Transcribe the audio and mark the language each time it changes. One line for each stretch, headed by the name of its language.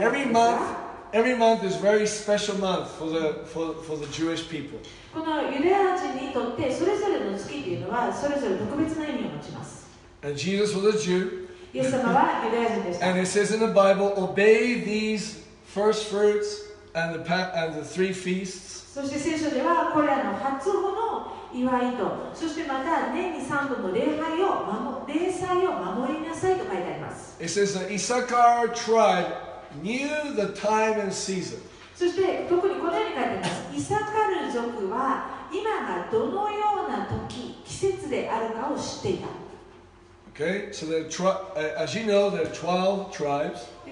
English: Every month is a very special month for the Jewish people. And Jesus was a Jew. And it says in the Bible, obey these first fruits and the three feasts.
Japanese: そして聖書ではこれらの初穂の祝いと、そしてまた年に三度の礼祭を守りなさいと書いてあります。
English: It says the Issachar tribe knew the time and season.
Japanese: そして特にこのように書いてあります。イサカル族は今がどのような時、季節であるかを知っていた。
English: Okay, so there are as you know, there are 12 tribes.